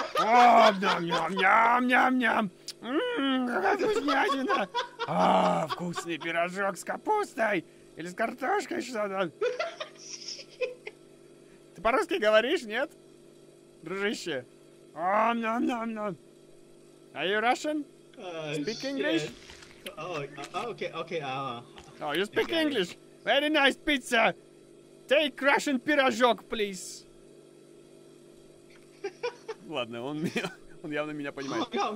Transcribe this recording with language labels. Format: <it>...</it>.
<ru>Ом-ням-ням-ням-ням-ням! Какая вкуснятина! Вкусный пирожок с капустой! Или с картошкой что-то? Ты по-русски говоришь, нет? Дружище? Ом-ням-ням-ням!</ru> <en>Are you Russian? Speak English? Oh, okay. Oh, you speak English? Very nice pizza. Take Russian пирожок, please.</en> <ru>Ладно, он явно меня понимает.</ru>